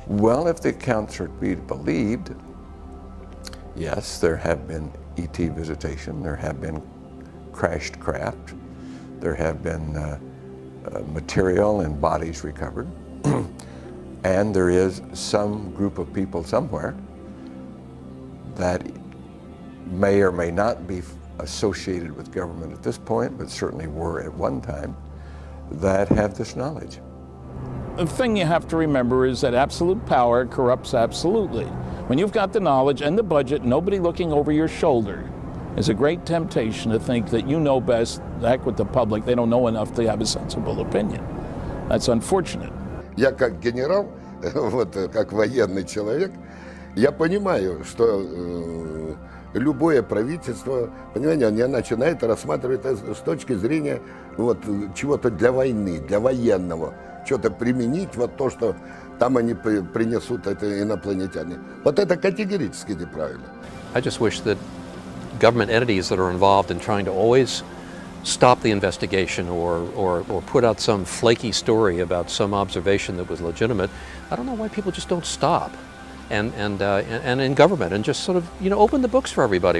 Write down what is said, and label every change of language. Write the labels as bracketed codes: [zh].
[en] Well, if the accounts are to be believed, yes, there have been ET visitation, there have been crashed craft, there have been material and bodies recovered, and there is some group of people somewhere that may or may not be associated with government at this point, but certainly were at one time, that have this knowledge. The thing you have to remember is that absolute power corrupts absolutely. When you've got the knowledge and the budget, nobody looking over your shoulder, is a great temptation to think that you know best. Heck with the public, they don't know enough to have a sensible opinion. That's unfortunate. [ru] Я как генерал, вот как военный человек, я понимаю, что любое правительство, понимаете, оно начинает рассматривать с точки зрения вот чего-то для войны, для военного, что-то применить, вот то, что там они принесут это инопланетяне. Вот это категорически неправильно. [en] I just wish that government entities that are involved in trying to always stop the investigation or put out some flaky story about some observation that was legitimate, I don't know why people just don't stop. And in government, and just sort of, you know, open the books for everybody.